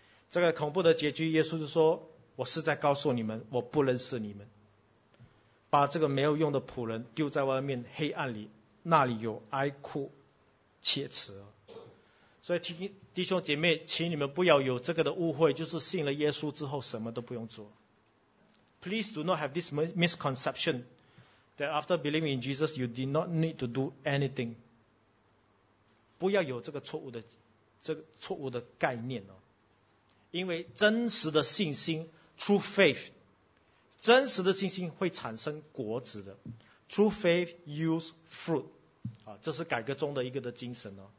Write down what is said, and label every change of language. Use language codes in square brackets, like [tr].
[zh] 这个恐怖的结局，耶稣就说，我是在告诉你们，我不认识你们，把这个没有用的仆人丢在外面黑暗里，那里有哀哭切齿。所以弟兄姐妹，请你们不要有这个的误会，就是信了耶稣之后什么都不用做。 [en] Please do not have this misconception that after believing in Jesus you did not need to do anything. [zh] 不要有这个错误的错误的概念哦。因为真实的信心 [en] True faith， [zh] 真实的信心会产生果子的。 [en] True faith yields fruit， [zh] 这是改革中的一个的精神哦。